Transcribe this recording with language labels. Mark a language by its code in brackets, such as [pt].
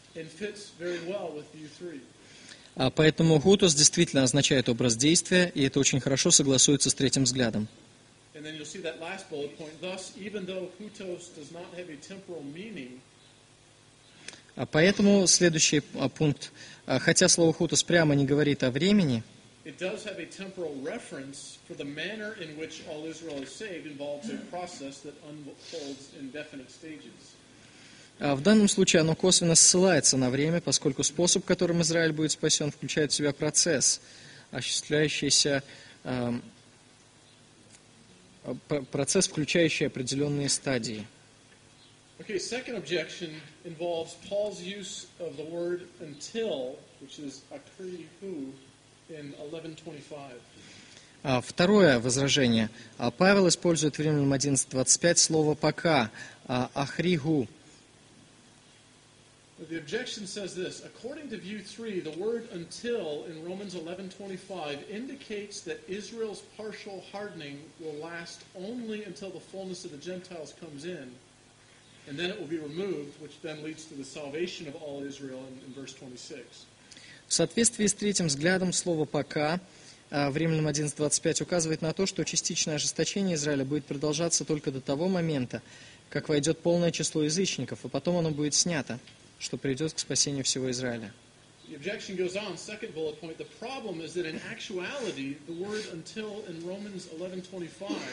[en] And fits very well with view 3. [ru] Поэтому houtos действительно означает образ действия, и это очень хорошо согласуется с третьим взглядом. [en] And then you'll see that last bullet point. Thus, even though houtos does not have a temporal meaning. [ru] Поэтому следующий пункт. Хотя слово houtos прямо не говорит о времени. [en] It does have a temporal reference, for the manner in which all Israel is saved involves a process that unfolds in definite stages. [ru] В данном случае оно косвенно ссылается на время, поскольку способ, которым Израиль будет спасен, включает в себя процесс, осуществляющийся, процесс, включающий определенные стадии. [en] Okay, second objection involves Paul's use of the word until, which is akri hu, in 11:25. [ru] Второе возражение. Павел использует в Римлянам 11:25 слово «пока», «ахригу». [en] The objection says this: according to view 3, the word until in Romans 11:25 indicates that Israel's partial hardening will last only until the fullness of the Gentiles comes in, and then it will be removed, which then leads to the salvation of all Israel in verse 26. [ru] В соответствии с третьим взглядом слово пока в Римлянам 11:25 указывает на то, что частичное ожесточение Израиля будет продолжаться только до того момента, как войдет полное число язычников, а потом оно будет снято, что приведет к спасению всего Израиля. [en] The objection goes on, second bullet point. The problem is that in actuality, the word until in Romans 11:25.